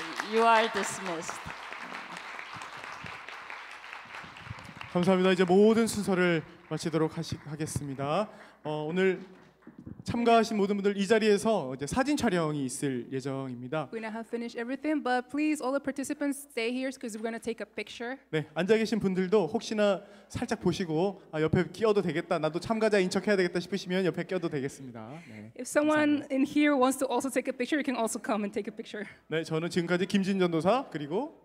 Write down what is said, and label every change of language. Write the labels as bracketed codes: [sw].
[en] You are dismissed. [ko] 감사합니다. 이제 모든 순서를 마치도록 하겠습니다. 오늘 참가하신 모든 분들 이 자리에서 이제 사진 촬영이 있을 예정입니다. [en] We now have finished everything, but please all the participants stay here because we're going to take a picture. [ko] 네, 앉아 계신 분들도 혹시나 살짝 보시고 옆에 끼어도 되겠다. 나도 참가자인 척 해야 되겠다 싶으시면 옆에 끼어도 되겠습니다. 네, [en] If someone [ko] 감사합니다. [en] in here wants to also take a picture, you can also come and take a picture. [ko] 네, 저는 지금까지 김진 전도사 그리고